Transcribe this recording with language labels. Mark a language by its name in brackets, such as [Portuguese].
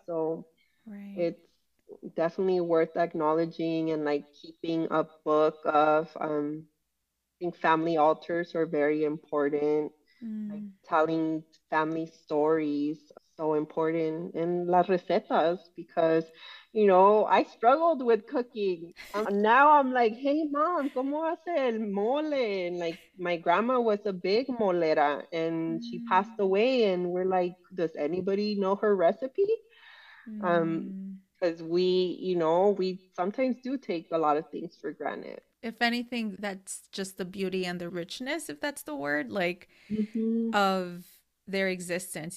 [English] So it's definitely worth acknowledging and like keeping a book of, I think family altars are very important. Like telling family stories, so important. And [Spanish] las recetas, [English] because, you know, I struggled with cooking. Now I'm like, hey, mom, [Spanish] ¿cómo hace el mole? [English] And like, my grandma was a big molera and she passed away. And we're like, does anybody know her recipe? Because we, you know, we sometimes do take a lot of things for granted. If anything, that's just the beauty and the richness, if that's the word, like of their existence.